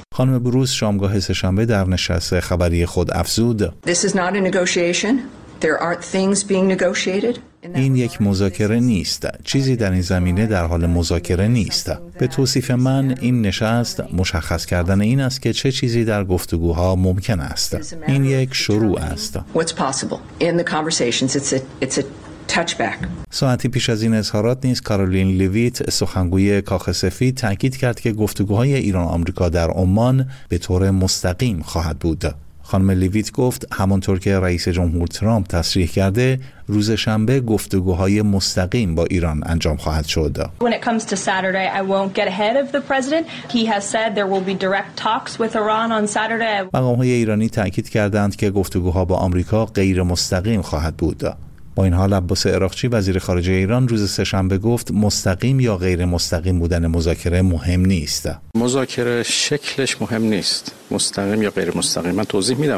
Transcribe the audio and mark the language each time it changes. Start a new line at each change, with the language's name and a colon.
Persian: خانم بروس شامگاه سه‌شنبه در نشست خبری خود افزود:
English: This is not a negotiation. There aren't things being negotiated.
Persian: این یک مذاکره نیست. چیزی در این زمینه در حال مذاکره نیست. به توصیف من، این نشست مشخص کردن این است که چه چیزی در گفتگوها ممکن است. این یک شروع است.
English: What's possible in the conversations? It's a touchback.
Persian: ساعتی پیش از این اظهارات نیز کارولین لویت، سخنگوی کاخ سفید، تاکید کرد که گفتگوهای ایران و آمریکا در عمان به طور مستقیم خواهد بود. خانم لویت گفت همانطور که رئیس جمهور ترامپ تصریح کرده، روز شنبه گفتگوهای مستقیم با ایران انجام خواهد شد.
English: When it comes to Saturday, I won't get ahead of the president. He has said there will be direct talks with Iran on Saturday.
Persian: مقام‌های ایرانی تاکید کردند که گفتگوها با آمریکا غیر مستقیم خواهد بود. با این حال عباس عراقچی، وزیر خارجه ایران، روز سه‌شنبه گفت مستقیم یا غیر مستقیم بودن مذاکره مهم نیست. مذاکره شکلش مهم نیست، مستقیم یا غیر مستقیم. من توضیح میدم.